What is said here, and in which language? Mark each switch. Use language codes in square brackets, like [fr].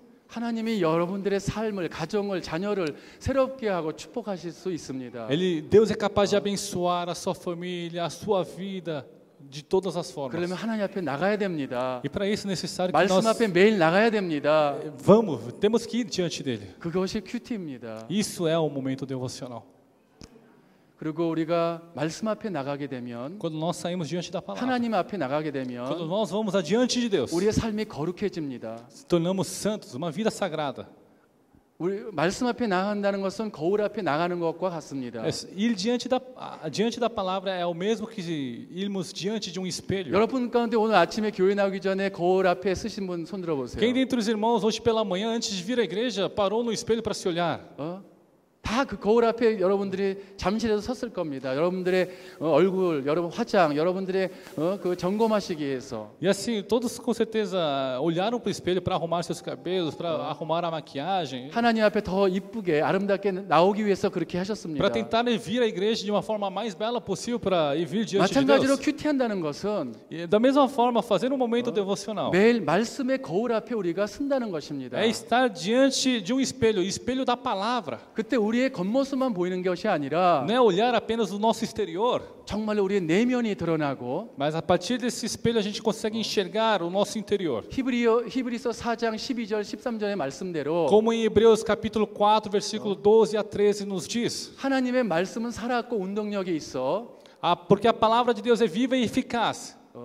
[ko] 하나님이 여러분들의 삶을, 가정을, 자녀를 새롭게 하고 축복하실 수 있습니다. [pt] Ele Deus é capaz de abençoar a sua família, a sua vida. De todas as formas. [ko] 그러면 하나님 앞에 나가야 됩니다. [pt] E para isso necessário que [ko] 말씀 [pt] nós [ko] 앞에 매일 나가야 됩니다. [pt] Vamos, temos que ir diante dele. [ko] 그것이 큐티입니다. [pt] Isso é o momento devocional. [ko] 그리고 우리가 말씀 앞에 나가게 되면 [pt] Quando nós saímos diante da palavra. [ko] 하나님 앞에 나가게 되면 [pt] Quando nós vamos adiante de Deus. [ko] 우리의 삶이 거룩해집니다. [pt] Tornamos santos, uma vida sagrada. [ko] 우리 말씀 앞에 나간다는 것은 거울 앞에 나가는 것과 같습니다. [pt] Ir diante da palavra é o mesmo que irmos diante de um espelho. [ko] 여러분 가운데 오늘 아침에 교회 나오기 전에 거울 앞에 서신 분 손 들어 보세요. [pt] Quem dentre os irmãos hoje pela manhã antes de vir à igreja parou no espelho para se olhar? [ko] 다 그 거울 앞에 여러분들이 잠실에서 섰을 겁니다. 여러분들의 얼굴, 여러분 화장, 여러분들의 그 점검하시기 위해서. [pt] E assim, todos com certeza olharam para o espelho para arrumar seus cabelos, para arrumar a maquiagem. [ko] 하나님 앞에 더 이쁘게, 아름답게 나오기 위해서 그렇게 하셨습니다. [pt] Para tentar vir à igreja de uma forma mais bela possível para ir vir diante de Deus. [ko] 마찬가지로 큐티한다는 것은 [pt] da mesma forma fazer um momento devocional. [ko] 매일 말씀의 거울 앞에 우리가 선다는 것입니다. [pt] É estar diante de um espelho, espelho da palavra. [ko] 그때 우리의 겉모습만 보이는 것이 아니라 [pt] 네, olhar apenas o nosso exterior. [ko] 정말로 우리의 내면이 드러나고 [pt] Mas a partir desse espelho a gente consegue enxergar o nosso interior. [ko] 히브리서 4장 12절 13절의 말씀대로 [pt] Como em Hebreus capítulo 4 versículo 12 a 13 nos diz. [ko] 하나님의 말씀은 살아있고 운동력이 있어. [pt] Porque a palavra de Deus é viva e eficaz.